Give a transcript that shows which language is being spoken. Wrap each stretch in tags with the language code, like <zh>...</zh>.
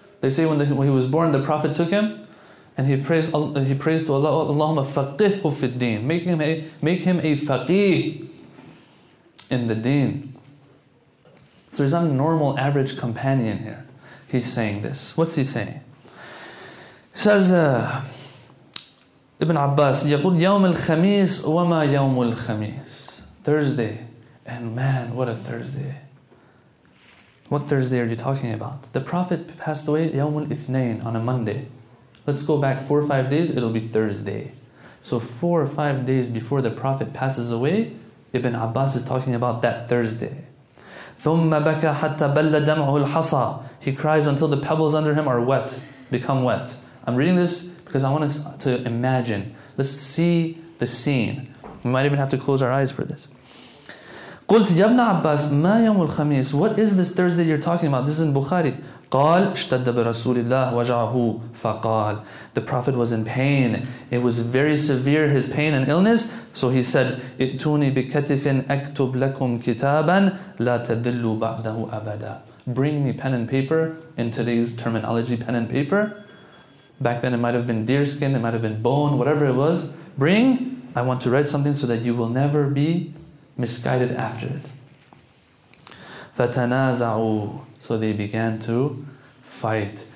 <en>They say when he was born, the Prophet took him, and he prays to Allah, Allahumma faqihhu fid deen, make him a faqih in the deen. So he's not a normal, average companion here. He's saying this. What's he saying? He says, Ibn Abbas, يَقُلْ يَوْمُ الْخَمِيسِ وَمَا يَوْمُ الْخَمِيسِ. Thursday. And man, what a Thursday. What Thursday are you talking about? The Prophet passed away, يَوْمُ الْإِثْنَيْنِ, on a Monday. Let's go back 4 or 5 days, it'll be Thursday. So 4 or 5 days before the Prophet passes away, Ibn Abbas is talking about that Thursday.</en> <ar>ثُمَّ بَكَى حَتَّى بَلَّ دَمْعُهُ الْحَصَى.</ar> <en>He cries until the pebbles under him are wet, become wet. I'm reading this because I want us to imagine. Let's see the scene. We might even have to close our eyes for this.</en> <ar>قُلْتُ يَبْنَ عَبَّاسِ مَا يَوْمُ الْخَمِيسِ.</ar> <en>What is this Thursday you're talking about? This is in Bukhari.</en> <ar>قَالْ اشْتَدَّ بِرَسُولِ اللَّهِ وَجَعَهُ فَقَالْ.</ar> <en>The Prophet was in pain. It was very severe, his pain and illness.</en> <ar>So he said, اِتُونِ بِكَتِفٍ أَكْتُبْ لَكُمْ كِتَابًا لَا تَدِلُّ بَعْدَهُ أَبَدًا.</ar> <en>Bring me pen and paper, in today's terminology, pen and paper. Back then it might have been deer skin, it might have been bone, whatever it was. Bring, I want to write something so that you will never be misguided after it. فَتَنَازَعُوا. So they began to fight.</en>